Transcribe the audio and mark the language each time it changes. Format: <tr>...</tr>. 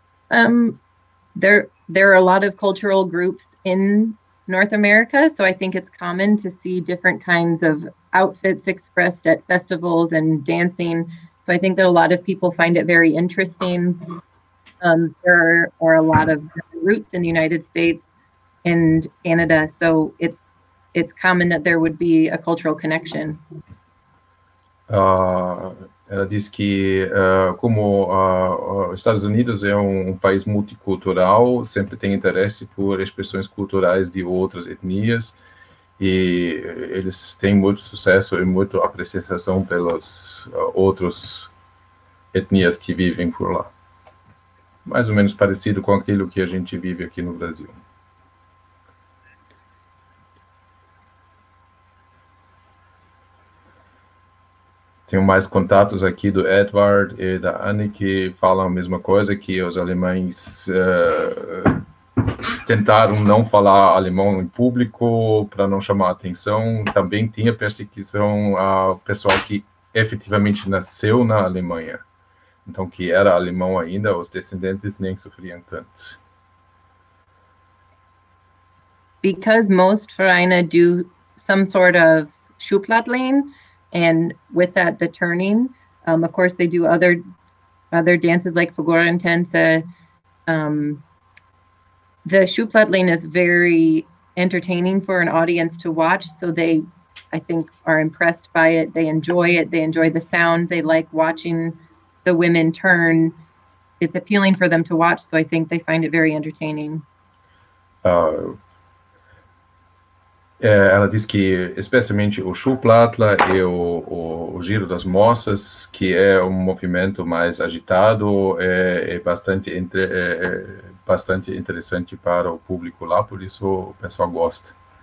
<en>There are a lot of cultural groups in North America, so I think it's common to see different kinds of outfits expressed at festivals and dancing. So I think that a lot of people find it very interesting. There are a lot of roots in the United States and Canada, so it's common that there would be a cultural connection.</en> <pt>Ela disse que, como os Estados Unidos é um país multicultural, sempre tem interesse por expressões culturais de outras etnias, e eles têm muito sucesso e muita apreciação pelas outras etnias que vivem por lá. Mais ou menos parecido com aquilo que a gente vive aqui no Brasil. Tenho mais contatos aqui do Edward e da Anne que falam a mesma coisa, que os alemães tentaram não falar alemão em público para não chamar atenção. Também tinha perseguição ao pessoal que efetivamente nasceu na Alemanha. Então, que era alemão ainda, os descendentes nem sofriam tanto.</pt> <en>Because most Vereine do some sort of Schubladlein, and with that, the turning. Of course, they do other dances like Figurentänze. The Schubladlein is very entertaining for an audience to watch, so they, I think, are impressed by it. They enjoy it. They enjoy the sound. They like watching the women turn. It's appealing for them to watch, so I think they find it very entertaining.</en> <pt>Ela diz que especialmente o Schuhplattler e o Giro das Moças, que é um movimento mais agitado, é bastante interessante para o público lá, por isso o pessoal gosta.</pt>